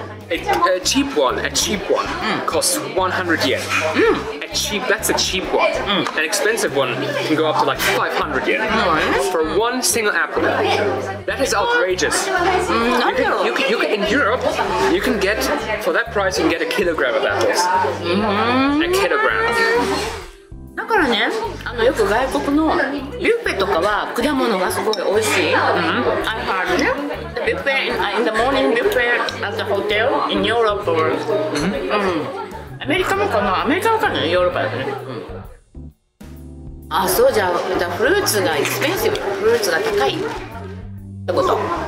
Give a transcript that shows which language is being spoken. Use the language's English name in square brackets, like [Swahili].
[English] A cheap one costs 100 yen. That's a cheap one. An expensive one can go up to like 500 yen. For one single apple. That is outrageous. In Europe, you can get, for that price, you can get a kilogram of apples. A kilogram. [Japanese] だからね、よく外国のビュッフェとかは果物がすごい美味しい。 [English] I heard ね、the buffet in the morning buffet at the hotel in Europe or、 mm-hmm. [Japanese] アメリカもかな、アメリカもかな、ヨーロッパだね。あ、そうじゃ、じゃフルーツがエクスペンシブ、フルーツが高いってこと。